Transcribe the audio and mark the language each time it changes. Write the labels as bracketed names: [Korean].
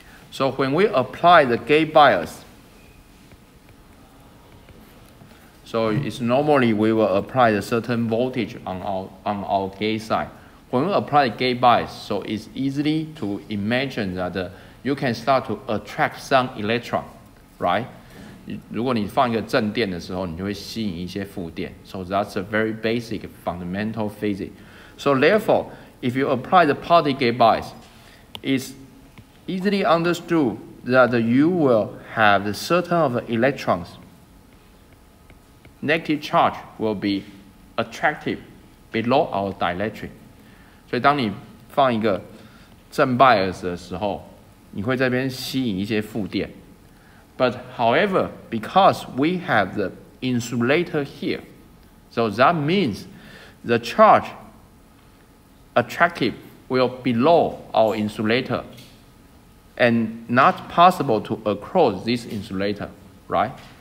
[English] So when we apply the gate bias, so it's normally we will apply a certain voltage on our gate side. When we apply gate bias, so it's easy to imagine that you can start to attract some electron, right? [Chinese] 如果你放一个正电的时候，你就会吸引一些负电. [English] So that's a very basic fundamental physics. So therefore, if you apply the positive gate bias, it's easily understood that you will have a certain of electrons. Negative charge will be attracted below our dielectric. [Chinese] 所以当你放一个正 bias 的时候，你会在这边吸引一些负电. [English] But however, because we have the insulator here, so that means the charge attracted will be below our insulator and not possible to across this insulator, right?